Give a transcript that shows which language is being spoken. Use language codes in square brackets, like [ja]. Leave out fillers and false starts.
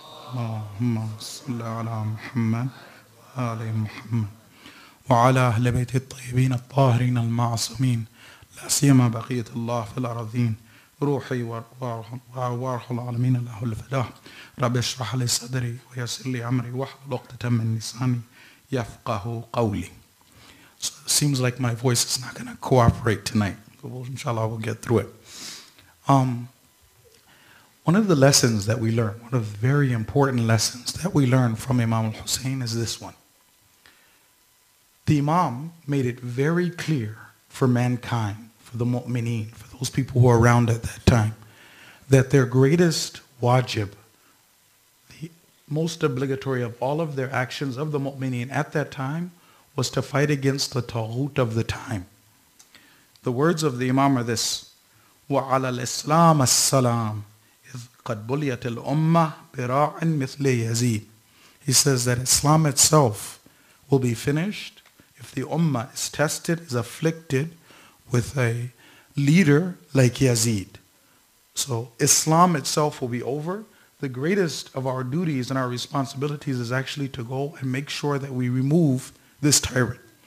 [ar] اللهم صل على محمد وآل محمد وعلى أهل بيت الطيبين الطاهرين المعصومين، لا سيما بقية الله في الأرضين، روحي وأرواح العالمين له الفداء. رب اشرح لي صدري ويسر لي أمري واحلل عقدة من لساني يفقه قولي. [en] Seems like my voice is not going to cooperate tonight, but inshallah we'll get through it. One of the lessons that we learn, one of the very important lessons that we learn from Imam al-Hussein is this one. The Imam made it very clear for mankind, for the mu'mineen, for those people who were around at that time, that their greatest wajib, the most obligatory of all of their actions of the mu'mineen at that time, was to fight against the taghut of the time. The words of the Imam are this: [ar] وَعَلَى الْإِسْلَامَ السَّلَامِ إِذْ قَدْ بُلِيَتِ الْأُمَّةِ بِرَاعٍ مِثْلِ يَزِيدٍ. [en] He says that Islam itself will be finished if the Ummah is tested, is afflicted with a leader like Yazid. So Islam itself will be over. The greatest of our duties and our responsibilities is actually to go and make sure that we remove this tyrant.